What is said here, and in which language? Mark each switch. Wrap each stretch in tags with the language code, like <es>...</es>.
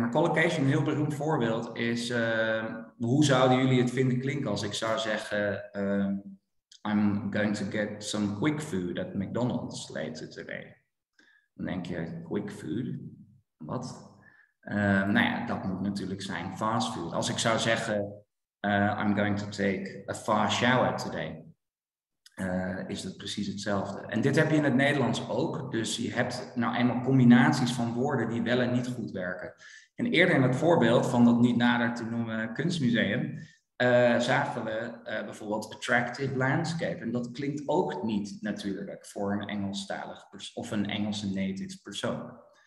<nl>Maar collocation, een heel beroemd voorbeeld, is hoe zouden jullie het vinden klinken als ik zou zeggen,</nl> <en>I'm going to get some quick food at McDonald's later today.</en> <nl>Dan denk je, quick food? Wat? Dat moet natuurlijk zijn fast food. Als ik zou zeggen,</nl> <en>I'm going to take a fast shower today.</en> <nl>Is dat precies hetzelfde. En dit heb je in het Nederlands ook. Dus je hebt nou eenmaal combinaties van woorden die wel en niet goed werken. En eerder in het voorbeeld van dat niet nader te noemen kunstmuseum, zagen we bijvoorbeeld attractive landscape. En dat klinkt ook niet natuurlijk voor een Engelstalig of een Engelse native persoon.</nl>